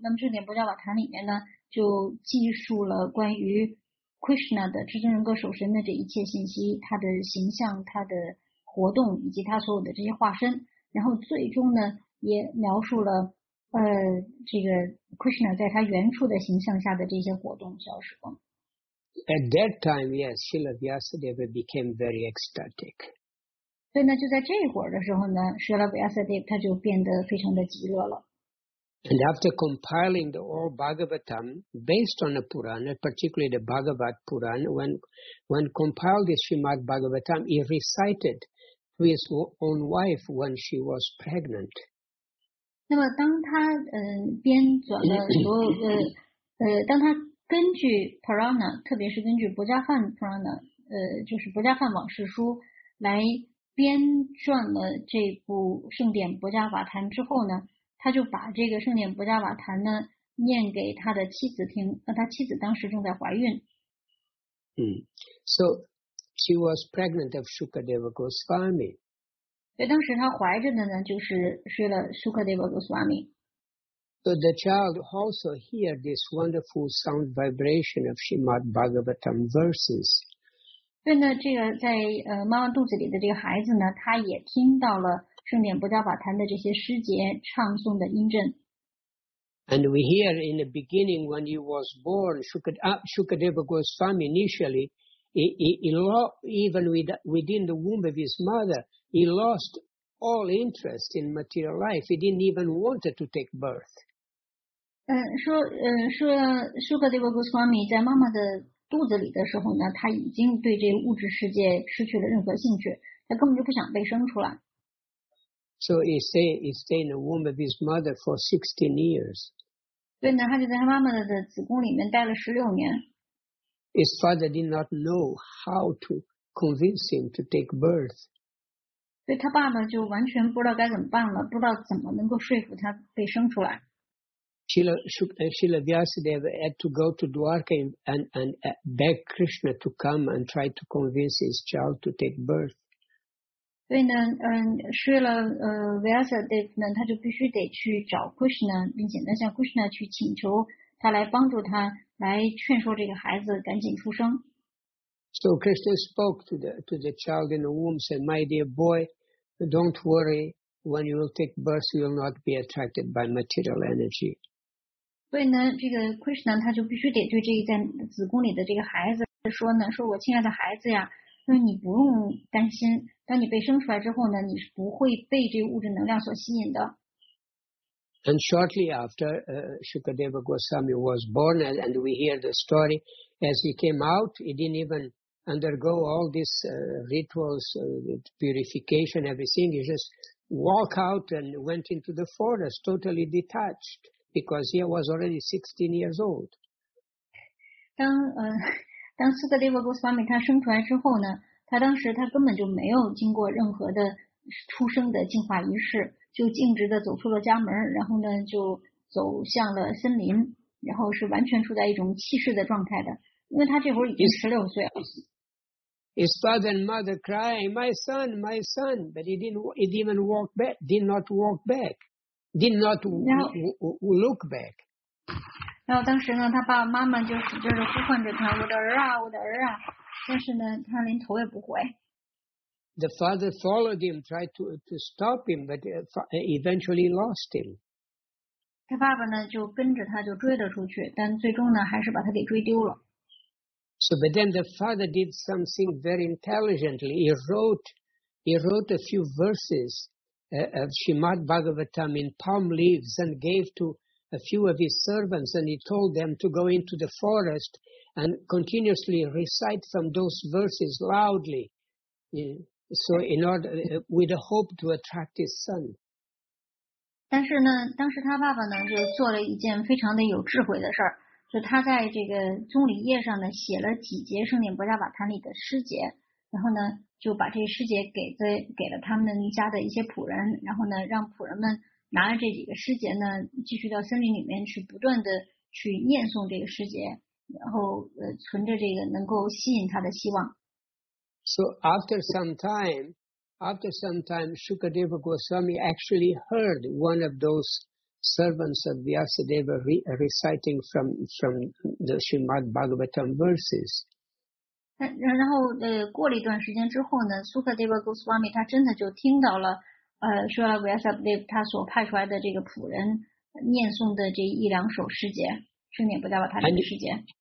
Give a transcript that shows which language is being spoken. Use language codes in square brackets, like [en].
[zh] 那么圣殿伯加瓦坛里面呢，就记述了关于 Krishna 的至尊人格守神的这一切信息，他的形象、他的活动以及他所有的这些化身，然后最终呢也描述了这个 Krishna 在他原初的形象下的这些活动消失了。 [en] At that time, yes, Srila Vyasadeva became very ecstatic. [zh] 所以呢，就在这一会儿的时候呢， Srila Vyasadeva 他就变得非常的极乐了。 [en] And after compiling the all Bhagavatam based on the Purana, particularly the Bhagavat Purana, when compiled the Srimad Bhagavatam, he recited to his own wife when she was pregnant. [zh] 那么当他编纂了所有当他根据 Purana, 特别是根据伯加梵 Purana, 就是伯加梵往事书来编撰了这部圣殿伯加瓦坛之后呢，他就把这个圣殿伯加瓦坛呢念给他的妻子听，他妻子当时正在怀孕。 [en] So, she was pregnant of Shukadeva Goswami. [zh] 所以当时他怀着的呢，就是Srila Shukadeva Goswami。 [en] So the child also hear this wonderful sound vibration of Srimad Bhagavatam verses. [zh] 所以呢，这个在妈妈肚子里的这个孩子呢，他也听到了圣殿伯加瓦坛的这些诗节唱诵的音阵。 [en] And we hear in the beginning when he was born, Shukadeva Goswami initially, even within the womb of his mother. He lost all interest in material life. He didn't even want to take birth. [zh] 说Shukadeva Goswami 在妈妈的肚子里的时候呢，他已经对这物质世界失去了任何兴趣，他根本就不想被生出来。 [en] So he stayed in the womb of his mother for 16 years. [zh] 所以呢，他就在他妈妈的子宫里面待了16年。 [en] His father did not know how to convince him to take birth. [zh] 所以他爸爸就完全不知道该怎么办了，不知道怎么能够说服他被生出来。 [en] Srila Vyasadeva had to go to Dwarka and beg Krishna to come and try to convince his child to take birth. [zh] 所以呢，Srila Vyasadeva 呢，他就必须得去找 Krishna， 并且呢向 Krishna 去请求他来帮助他，来劝说这个孩子赶紧出生。 [en] So Krishna spoke to the child in the womb, said, "My dear boy, don't worry. When you will take birth, you will not be attracted by material energy." [zh] 所以呢，这个 Krishna 他就必须得对这个在子宫里的这个孩子说呢，说我亲爱的孩子呀，说你不用担心，当你被生出来之后呢，你是不会被这个物质能量所吸引的。 [en] And shortly after, Shukadeva Goswami was born, and we hear the story. As he came out, he didn't even undergo all these rituals, purification, everything. He just walked out and went into the forest, totally detached, because he was already 16 years old. [zh] 当 Sukadeva Goswami 他生出来之后呢，他当时他根本就没有经过任何的出生的净化仪式，就径直的走出了家门，然后呢就走向了森林，然后是完全处在一种弃世的状态的。因为他这会儿已经16岁了。 [en] His father and mother crying, "My son, my son!" But he didn't walk back, did not look back. [zh] 然后当时呢，他爸爸妈妈就使劲的呼唤着他，我的儿啊，我的儿啊！但是呢，他连头也不回。 [en] The father followed him, tried to stop him, but eventually lost him. [zh] 他爸爸呢，就跟着他就追了出去，但最终呢，还是把他给追丢了。 [en] So, but then the father did something very intelligently. He wrote a few verses of Srimad Bhagavatam in palm leaves and gave to a few of his servants, and he told them to go into the forest and continuously recite from those verses loudly, so in order with the hope to attract his son. [zh] 但是呢，当时他爸爸呢就做了一件非常的有智慧的事儿。就他在这个棕榈叶上呢写了几节圣殿伯加瓦坛里的诗节，然后呢就把这些诗节给了他们家的一些仆人，然后呢让仆人们拿着这几个诗节呢继续到森林里面去不断的去念诵这个诗节，然后存着这个能够吸引他的希望。 [en] So after some time, Shukadeva Goswami actually heard one of those servants of Vyasadeva reciting from the Srimad Bhagavatam verses. [zh] 然后，过了一段时间之后呢 ，Shukadeva Goswami 他真的就听到了，说 Vyasadeva 他所派出来的这个仆人念诵的这一两首诗节，声念不代表他这个诗节。